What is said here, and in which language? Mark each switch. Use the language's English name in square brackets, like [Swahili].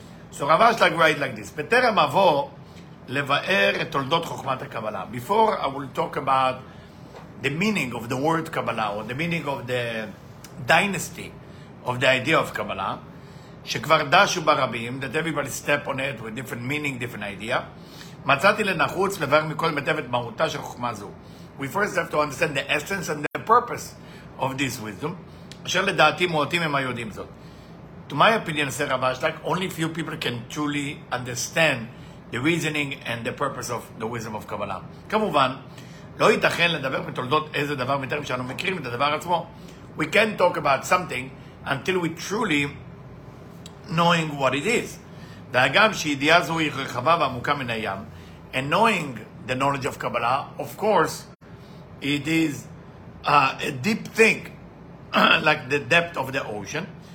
[English] So Rav Ashlag writes like this: [Hebrew] "Beterem avo leva'er et toldot chokhmat haKabbalah." [English] Before I will talk about the meaning of the word Kabbalah or the meaning of the dynasty of the idea of Kabbalah, [Hebrew] shekvar dashu barabim, [English] that everybody step on it with different meaning, different idea. [Hebrew] מצאתי לנחוץ לברר מכל מיטב את מהותה של חוכמה זו. [English] We first have to understand the essence and the purpose of this wisdom. [Hebrew] אשר לדעתי מועטים הם היודעים זאת. [English] To my opinion, said Rav Ashlag, only few people can truly understand the reasoning and the purpose of the wisdom of Kabbalah. [Hebrew] כמובן, לא ייתכן לדבר בתולדות איזה דבר מטרם שאנו מכירים את הדבר עצמו. [English] We can't talk about something until we truly knowing what it is. [Hebrew] והגם שידיעה זו היא רחבה ועמוקה מן הים, [English] and knowing the knowledge of Kabbalah, of course, it is a deep thing, like the depth of the ocean.